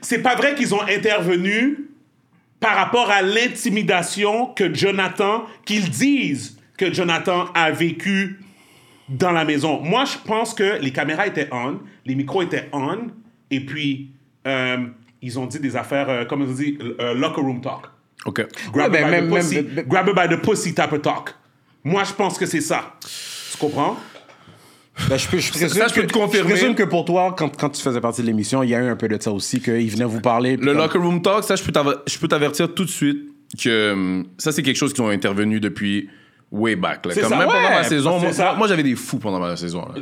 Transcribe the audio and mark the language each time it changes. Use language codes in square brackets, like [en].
[fr] C'est pas vrai qu'ils ont intervenu par rapport à l'intimidation que Jonathan... Qu'ils disent... que Jonathan a vécu dans la maison. Moi, je pense que les caméras étaient on, les micros étaient on, et puis ils ont dit des affaires, comme ils ont dit, [en] locker room talk. OK. Grab her by the pussy type of talk. [fr] Moi, je pense que c'est ça. Tu comprends? Ben, je peux te confirmer. Je présume que pour toi, quand tu faisais partie de l'émission, il y a eu un peu de ça aussi, qu'ils venaient vous parler. Le [en] locker room talk, [fr] ça, je peux t'avertir tout de suite que ça, c'est quelque chose qu'ils ont intervenu depuis... [en] Way back, [fr] là. Comme ça, même pendant ma saison. Moi, j'avais des fous pendant ma saison. Là.